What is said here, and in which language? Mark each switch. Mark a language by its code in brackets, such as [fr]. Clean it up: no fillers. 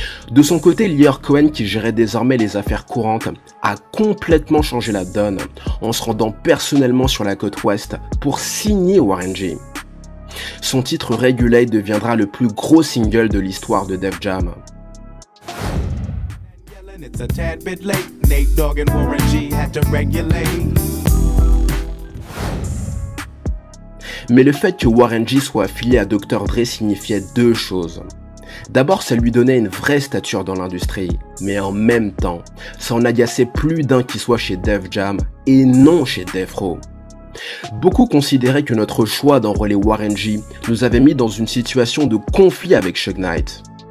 [fr] De son côté, Lior Cohen, qui gérait désormais les affaires courantes, a complètement changé la donne en se rendant personnellement sur la côte ouest pour signer Warren G. Son titre Regulate deviendra le plus gros single de l'histoire de Def Jam. [en] It's a tad bit late. Nate Dogg and Warren G had to regulate. [fr] Mais le fait que Warren G soit affilié à Dr. Dre signifiait deux choses. D'abord, ça lui donnait une vraie stature dans l'industrie, mais en même temps, ça en agaçait plus d'un qui soit chez Def Jam et non chez Def Row. Beaucoup considéraient que notre choix d'enrôler Warren G nous avait mis dans une situation de conflit avec Shug Knight.